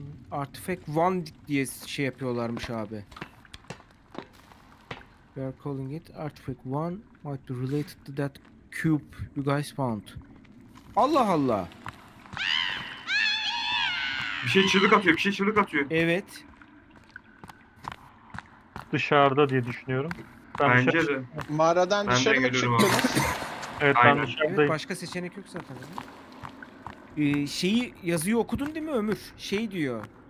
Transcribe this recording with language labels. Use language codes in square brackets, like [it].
[tr] Artifact one diye şey yapıyorlarmış abi. [en] We are calling it Artifact One might be related to that cube you guys found. [tr] Allah Allah. Bir şey çığlık atıyor, bir şey çığlık atıyor. Evet. Dışarıda diye düşünüyorum. Ben bence de. Mağaradan ben dışarı mı çıktın? Evet, aynen. Ben dışarıdayım. Evet, başka seçenek yok zaten. Şeyi yazıyı okudun değil mi Ömür? Şey diyor.